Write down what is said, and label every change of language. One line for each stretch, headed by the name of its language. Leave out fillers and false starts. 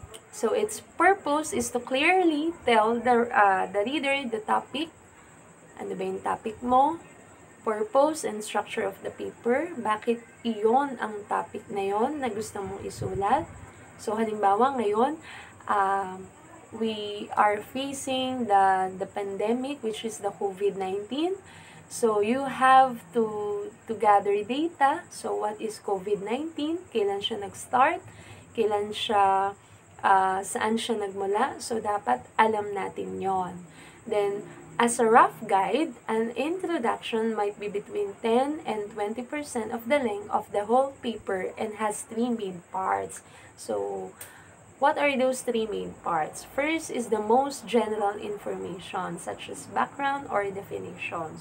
English: So, its purpose is to clearly tell the reader the topic.
Filipino: Ano ba yung topic mo?
English: Purpose and structure of the paper.
Filipino: Bakit iyon ang topic na yon na gusto mong isulat?
English: So,
Filipino: halimbawa ngayon,
English: we are facing the pandemic, which is the COVID-19. So, you have to gather data. So, what is COVID-19?
Filipino: Kailan siya nag-start? Kailan siya, saan siya nagmula? So, dapat alam natin yon.
English: Then, as a rough guide, an introduction might be between 10 and 20% of the length of the whole paper and has three main parts. So, what are those three main parts? First is the most general information, such as background or definition.